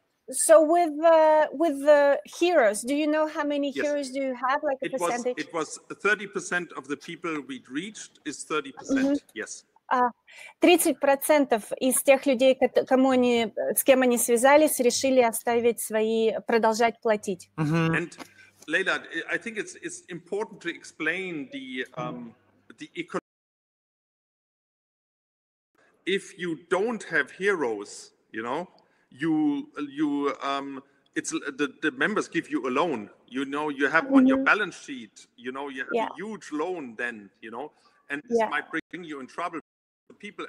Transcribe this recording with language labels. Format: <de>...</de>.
<en>So with the heroes, do you know how many heroes do you have, like a it percentage? It was 30% of the people we'd reached is 30%, mm-hmm. Yes.</en> <ru>30% из тех людей, кому они, с кем они связались, решили оставить свои, продолжать платить. Mm-hmm.</ru> <en>And Leila, I think it's important to explain the economy. If you don't have heroes, you know, You it's the members give you a loan, you know, you have mm-hmm. on your balance sheet, you know, you have a huge loan then, you know, and this might bring you in trouble with people.</en>